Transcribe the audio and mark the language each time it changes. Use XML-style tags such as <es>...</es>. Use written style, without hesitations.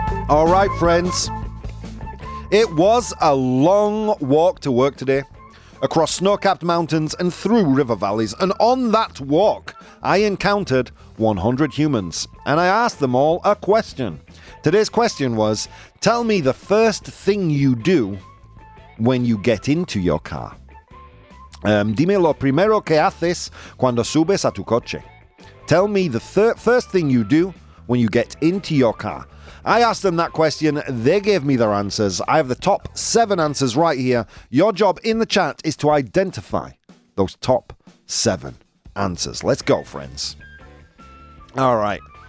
<en>All right, friends. It was a long walk to work today, across snow-capped mountains and through river valleys. And on that walk, I encountered 100 humans, and I asked them all a question. Today's question was, tell me the first thing you do when you get into your car.</en> <es>Dime lo primero que haces cuando subes a tu coche.</es> <en>Tell me the first thing you do when you get into your car. I asked them that question. They gave me their answers. I have the top 7 answers right here. Your job in the chat is to identify those top 7 answers. Let's go, friends. All right.</en>